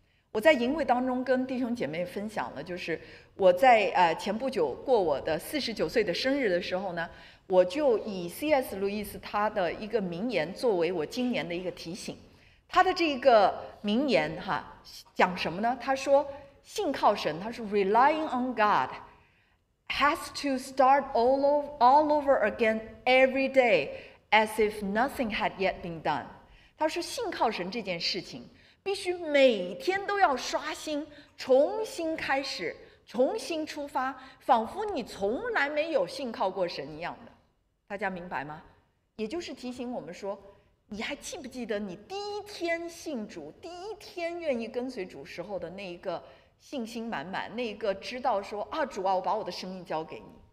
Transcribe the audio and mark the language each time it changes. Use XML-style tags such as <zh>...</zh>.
<zh>我在营会当中跟弟兄姐妹分享了，就是我在前不久过我的49岁的生日的时候呢，我就以 C.S. 路易斯他的一个名言作为我今年的一个提醒。他的这个名言哈讲什么呢？他说信靠神，他说</zh> <en>relying on God has to start all over again every day as if nothing had yet been done。</en> <zh>他说信靠神这件事情必须每天都要刷新，重新开始，重新出发，仿佛你从来没有信靠过神一样的。大家明白吗？也就是提醒我们说，你还记不记得你第一天信主，第一天愿意跟随主时候的那一个信心满满，那一个知道说啊，主啊，我把我的生命交给你。</zh>